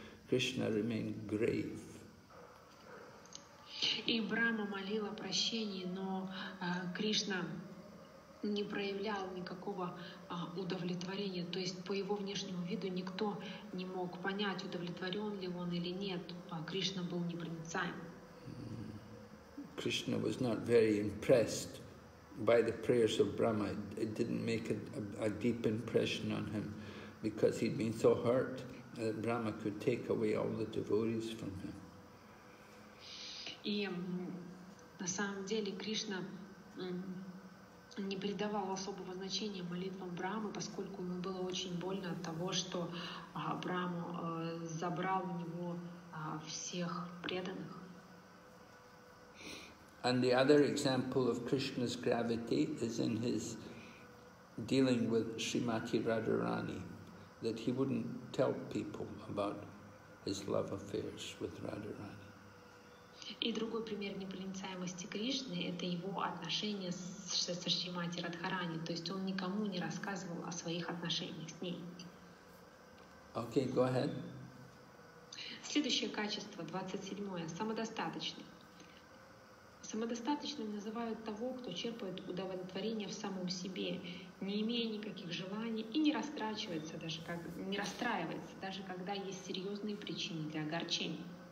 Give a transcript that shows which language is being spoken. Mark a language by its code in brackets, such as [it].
[en] Krishna remained grave. [ru] И Брахма молил о прощении, но Кришна не проявлял никакого удовлетворения. То есть по его внешнему виду никто не мог понять, удовлетворен ли он или нет. Кришна был непроницаем. [en] Krishna was not very impressed by the prayers of Brahma. It didn't make a deep impression on him because he'd been so hurt that Brahma could take away all the devotees from him. [ru] И на самом деле Кришна не придавал особого значения молитвам Брахмы, поскольку ему было очень больно от того, что Брахма забрал у него всех преданных. [en] And the other example of Krishna's gravity is in his dealing with Srimati Radharani, that he wouldn't tell people about his love affairs with Radharani. [ru] И другой пример непроницаемости Кришны – это его отношения с Шримати Радхарани, то есть он никому не рассказывал о своих отношениях с ней. [en] Okay, go ahead. [ru] Следующее качество, 27-е, самодостаточный. Самодостаточным называют того, кто черпает удовлетворение в самом себе, не имея никаких желаний и не растрачивается даже как не расстраивается, даже когда есть серьезные причины для огорчения.